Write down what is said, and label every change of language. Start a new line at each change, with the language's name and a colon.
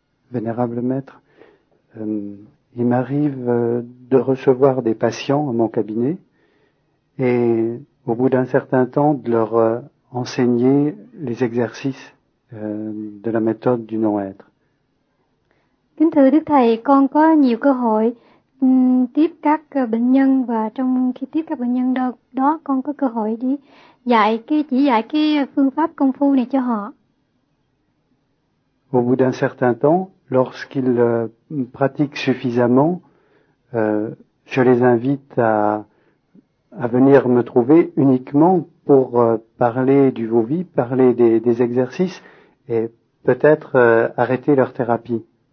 French: Vénérable maître, il m'arrive de recevoir des patients à mon cabinet et au bout d'un certain temps de leur enseigner les exercices de la méthode du non-être.
Vietnamese: Kính thưa đức thầy, con có nhiều cơ hội tiếp các bệnh nhân và trong khi tiếp các bệnh nhân đó con có cơ hội đi dạy cái chỉ dạy cái phương pháp công phu này cho họ.
French: Au bout d'un certain temps, lorsqu'ils pratiquent suffisamment, je les invite à venir me trouver uniquement pour parler du Vovi, parler des exercices et peut-être arrêter leur thérapie.